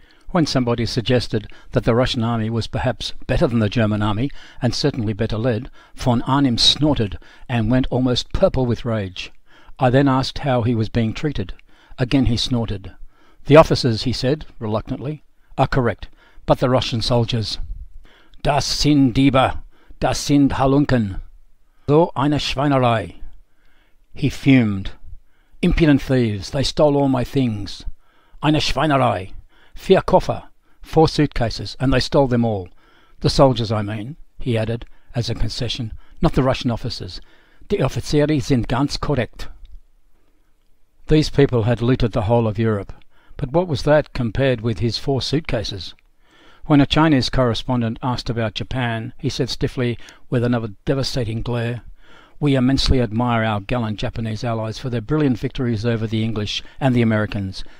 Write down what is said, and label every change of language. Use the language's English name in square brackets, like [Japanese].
[English] When somebody suggested that the Russian army was perhaps better than the German army, and certainly better led, von Arnim snorted and went almost purple with rage. I then asked how he was being treated. Again he snorted. "The officers," he said, reluctantly, "are correct, but the Russian soldiers. [German] Das sind Diebe, das sind Halunken, so eine Schweinerei." [English] He fumed. "Impudent thieves, they stole all my things. [German] Eine Schweinerei, vier Koffer, [English] four suitcases, and they stole them all. The soldiers, I mean," he added, as a concession, "not the Russian officers. [German] Die Offiziere sind ganz korrekt." [English] These people had looted the whole of Europe. But what was that compared with his four suitcases? When a Chinese correspondent asked about Japan, he said stiffly, with another devastating glare, We immensely admire our gallant Japanese allies for their brilliant victories over the English and the Americans.